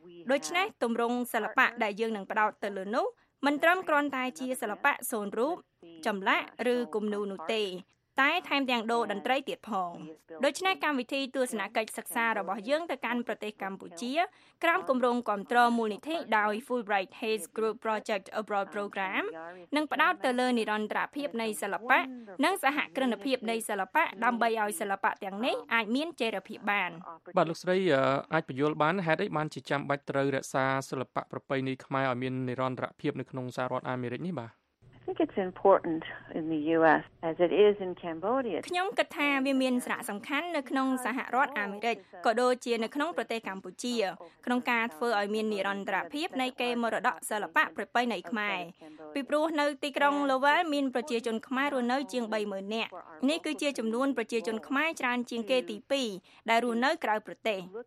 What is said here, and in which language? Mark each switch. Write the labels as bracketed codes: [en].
[km] ដូច្នេះទម្រង់សិល្បៈដែលយើងនឹងផ្ដោតទៅលើនោះមិនត្រឹមគ្រាន់តែជាសិល្បៈសូនរូបចម្លាក់ឬគំនូរនោះទេតែថែមទាំងដូតន្ត្រីទៀតផងដូច្នេះកម្មវិធីទស្សនកិច្ចសិក្សារបស់យើងទៅកាន់ប្រទេសកម្ពុជាក្រោមគម្រោងគាំទ្រមូលនិធិដោយ Fulbright Hayes Group Project Abroad Program និងផ្ដោតទៅលើនិរន្តរភាពនៃសិល្បៈនិងសហគ្រិនភាពនៃសិល្បៈដើម្បីឲ្យសិល្បៈទាំងនេះអាចមានចេរភាពបាន បាទលោកស្រីអាចពន្យល់បានហេតុអីបានជាចាំបាច់ត្រូវរក្សាសិល្បៈប្រពៃណីខ្មែរឲ្យមាននិរន្តរភាពនៅក្នុងសហរដ្ឋអាមេរិកនេះបាទ [en] I think it's important in the US as it is in Cambodia. [km] ខ្ញុំគិតថាវាមានសារៈសំខាន់នៅក្នុងសហរដ្ឋអាមេរិកក៏ដូចជានៅក្នុងប្រទេសកម្ពុជាក្នុងការធ្វើឲ្យមាននិរន្តរភាពនៃកេរមរតកសិល្បៈប្រពៃណីខ្មែរពីព្រោះនៅទីក្រុង Lowell មានប្រជាជនខ្មែររស់នៅជាង 30,000 នាក់នេះគឺជាចំនួនប្រជាជនខ្មែរច្រើនជាងគេទី2ដែលរស់នៅក្រៅប្រទេស